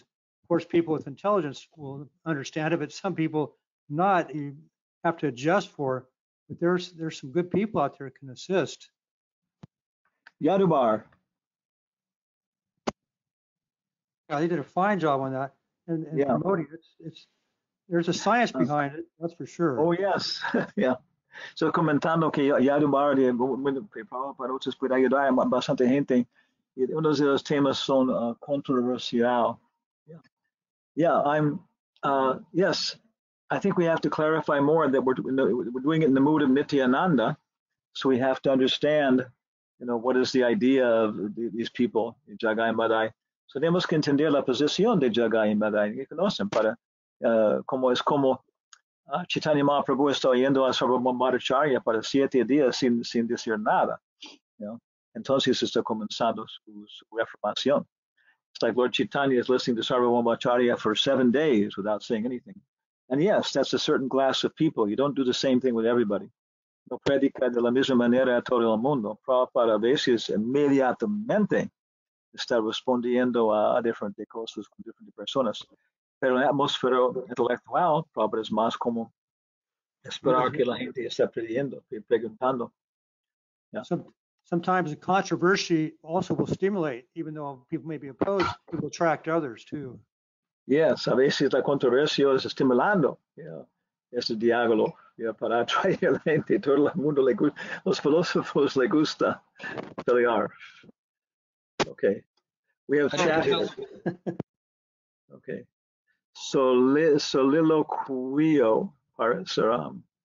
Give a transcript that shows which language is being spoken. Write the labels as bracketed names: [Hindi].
[English] Of course, people with intelligence will understand it, but some people not, you have to adjust for. But there's some good people out there who can assist. Yadubar. Yeah, they did a fine job on that. And yeah. Promoting it. There's a science behind it, that's for sure. Oh, yes. Yeah. [Spanish] So, comentando que Yadubar, para otros, puede ayudar a bastante gente. Uno de los temas son controversial. [English] Yeah, yes, I think we have to clarify more that we're doing it in the mood of Nityananda, so we have to understand, what is the idea of these people, Jagai Madai, [Spanish] tenemos que entender la posición de Jagai y Madai que conocen para cómo es como Chaitanya Mahaprabhu está yendo a Sarvabhauma Bhattacharya para 7 días sin decir nada. ¿No? Entonces está comenzando su reformación. [English] It's like Lord Chaitanya is listening to Sarvabhauma Bhattacharya for 7 days without saying anything. And yes, that's a certain class of people. You don't do the same thing with everybody. [Spanish] No predica de la misma manera a todo el mundo. Prabhupada a veces inmediatamente está respondiendo a different cosas con different personas. Pero en la atmósfera intelectual, Prabhupada es más como esperar que la gente esté pidiendo, preguntando. [English] Yeah. Sometimes the controversy also will stimulate, even though people may be opposed, it will attract others too. [Spanish] Yes, a veces la controversia es estimulando. Yeah. Es el diálogo. Yeah, para atraer la gente, todo el mundo le gusta, los filósofos le gusta pelear. [English] Okay, we have chatted. Okay, [Spanish] soliloquio para Saram.